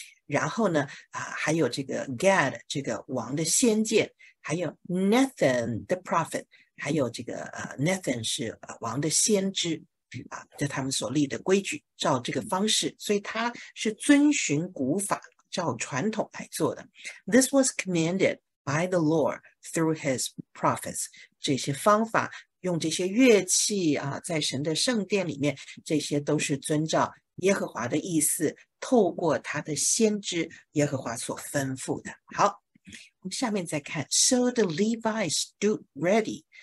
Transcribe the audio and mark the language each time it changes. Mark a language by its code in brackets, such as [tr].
[zh] 然后呢还有这个 Gad 这个王的先见，还有 [en] Nathan the prophet， [zh] 还有这个Nathan 是王的先知。在他们所立的规矩，照这个方式，所以他是遵循古法，照传统来做的。 [en] This was commanded by the Lord through his prophets。 [zh] 这些方法，用这些乐器在神的圣殿里面，这些都是遵照耶和华的意思，透过他的先知耶和华所吩咐的。好，我们下面再看。 [en] So the Levites stood ready。